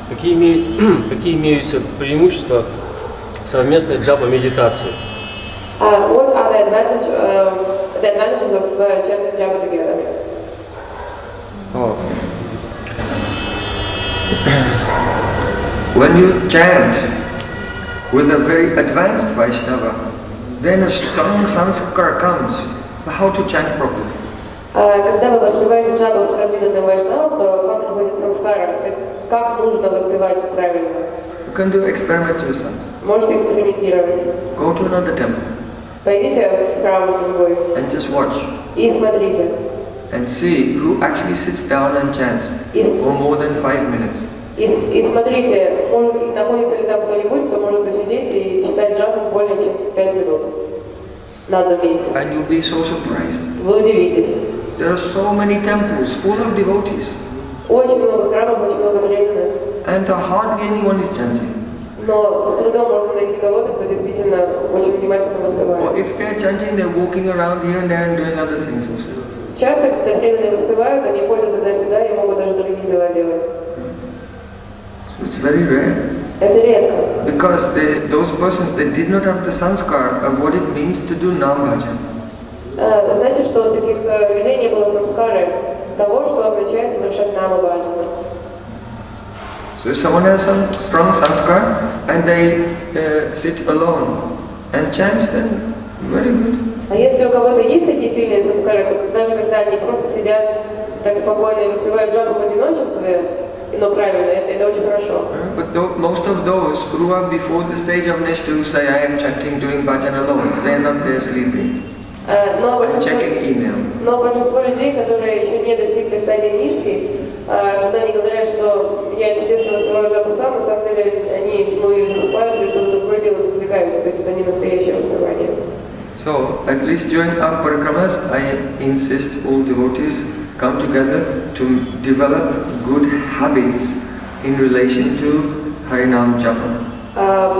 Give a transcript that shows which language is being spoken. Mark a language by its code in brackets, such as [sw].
[ru] Какие имеются преимущества совместной джапа медитации? [en] What are the advantages of chanting japa together? Oh. When you chant with a very advanced Vaishnava, then a strong sanskara comes. How to chant properly? [ru] Когда вы воспеваете джапу с продвинутым вайшнавом, то к вам приходит санскара. Как нужно воспевать правильно? [en] You can do experiment yourself. [ru] Можете экспериментировать. [en] Go to another temple. [ru] Пойдите в храм другой. [en] And just watch. [ru] И смотрите. [en] And see who actually sits down and chants for more than 5 minutes. [ru] И смотрите, находится ли там кто-нибудь, кто может усидеть и читать джапу более чем 5 минут. [en] And you'll be so surprised. [ru] Вы удивитесь. [en] There are so many temples full of devotees. [ru] Очень много храмов, очень много преданных. [en] And hardly anyone is chanting. [ru] Но с трудом можно найти кого-то, кто действительно очень внимательно воспевает. [en] Or if they're chanting, they're walking around here and there and doing other things also. [ru] Часто, когда преданные воспевают, они ходят туда-сюда и могут даже другие дела делать. [en] So it's very rare. [ru] Это редко. [en] Because those persons, they did not have the sanskar of what it means to do nam-bhajan. [ru] Знаете, что у таких людей не было санскары того, что означает совершать нам-бхаджан. [en] So if someone has some strong sanskar and they sit alone and chant, then very good. [ru] А если у кого-то есть такие сильные санскары, то даже когда они просто сидят так спокойно и воспевают джапу в одиночестве, но правильно, это очень хорошо. [en] But most of those who are before the stage of Neshtu say, I am chanting, doing bhajan alone. They are not there sleeping. Checking email. [ru] Но большинство людей, которые еще не достигли стадии Ништхи, когда они говорят, что я чудесно воспеваю джапу сам, на самом деле они засыпают или что-то другое делают, отвлекаются. То есть это не настоящее воспевание. [en] So, at least during our parikramas, I insist all devotees come together to develop good habits in relation to Harinam Japa.